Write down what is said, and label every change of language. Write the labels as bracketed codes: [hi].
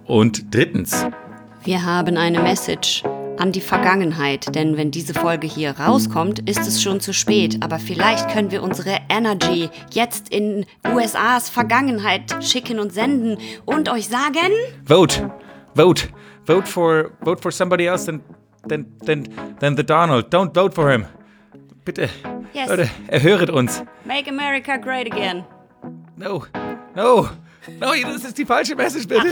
[de] Und drittens. Wir haben eine Message an die Vergangenheit, denn wenn diese Folge hier rauskommt, ist es schon zu spät. Aber vielleicht können wir unsere Energy jetzt in USAs Vergangenheit schicken und senden und euch sagen. [en] Vote for somebody else than the Donald. Don't vote for him. [de] Bitte, [en] yes. [de] Leute, erhöret uns. [en] Make America great again. No, [de] das ist die falsche Message, bitte.